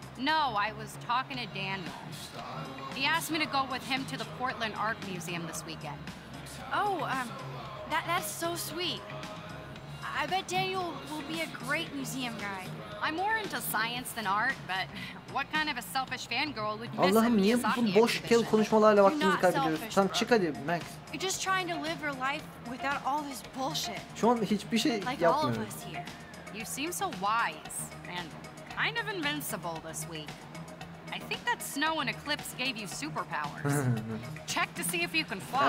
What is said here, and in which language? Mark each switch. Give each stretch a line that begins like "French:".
English: No, I was talking to Daniel. He asked me to go with him to the Portland Art Museum this weekend. Oh, that's so sweet. I bet Daniel will be a great museum guide. I'm more into science than art, but what kind of a selfish fangirl would miss a Miyazaki exhibition?
Turkish: Allah'ım, niye bu boş kel konuşmalarla vaktimizi kaybediyoruz? Tamam, çık hadi, Max.
English: You're just trying to live your life without all this bullshit.
Turkish: Şu an hiçbir şey yapmıyorum.
English: Like all of us here, you seem so wise and kind of invincible this week. I think that snow and eclipse gave you superpowers. Check to see if you can fly.